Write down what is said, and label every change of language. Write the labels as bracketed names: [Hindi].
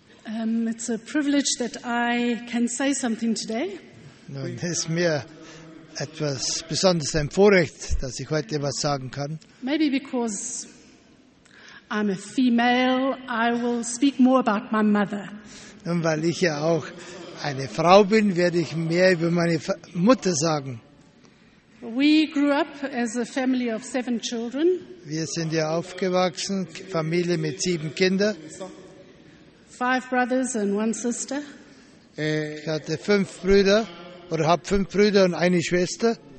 [English] It's a privilege that I can say something today. [German] Nun, es ist mir etwas besonders ein Vorrecht, dass ich heute etwas sagen kann. [English] Maybe because I'm a female, I will speak more about my mother. [German] Nun, weil ich ja auch eine Frau bin, werde ich mehr über meine Mutter sagen. [English] We grew up as a family of 7 children. [German] Wir sind ja aufgewachsen, Familie mit 7 Kindern. [English] 5 brothers and 1 sister. [German] Ich hatte 5 Brüder oder habe 5 Brüder und eine Schwester.